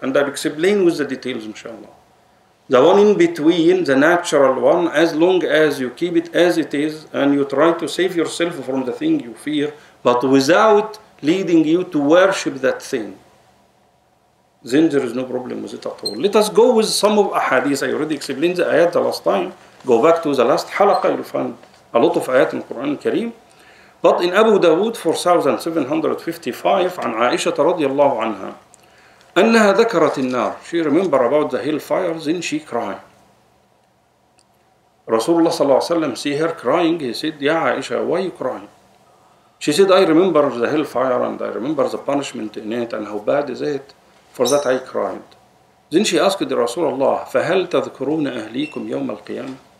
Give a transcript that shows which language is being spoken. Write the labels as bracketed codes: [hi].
[en] And I'll explain with the details, inshallah. The one in between, the natural one, as long as you keep it as it is, and you try to save yourself from the thing you fear, but without leading you to worship that thing, then there is no problem with it at all. Let us go with some of ahadith. I already explained the ayat the last time. Go back to the last halaqah, you'll find a lot of ayat in Quran al-Kareem. But in Abu Dawood 4755, [ar] عن عائشة رضي الله عنها أنها ذكرت النار. [en] She remember about the hell fire, then she cried. Rasulullah صلى الله عليه وسلم see her crying, he said, [ar] يا عائشة, [en] why are you crying? She said, I remember the hell fire and I remember the punishment in it and how bad is it. For that I cried. Then she asked the Rasulullah, [ar] فَهَلْ تَذْكُرُونَ أَهْلِيكُمْ يَوْمَ الْقِيَامَةِ?